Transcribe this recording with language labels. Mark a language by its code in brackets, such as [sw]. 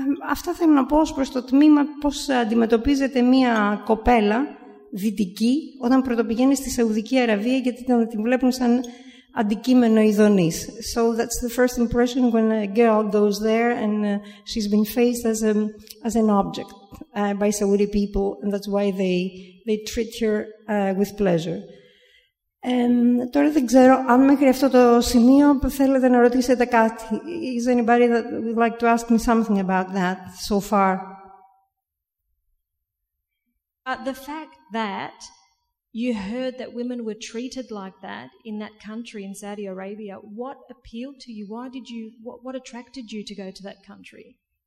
[el] Αυτά θέλω να πω ως προς το τμήμα πώς αντιμετωπίζεται μία κοπέλα δυτική όταν πρωτοπηγαίνει στη Σαουδική Αραβία γιατί την βλέπουν σαν αντικείμενο ειδονής. [en] So that's the first impression when a girl goes there and she's been faced as, as an object by Saudi people and that's why they treat her with pleasure. [el] Τώρα δεν ξέρω αν μέχρι αυτό το σημείο θέλετε να ρωτήσετε κάτι. [en] Is anybody that would like to ask me something about that so far? The fact that you heard that women were treated like that in that country in Saudi Arabia, what appealed to you? Why did you? What attracted you to go to that country?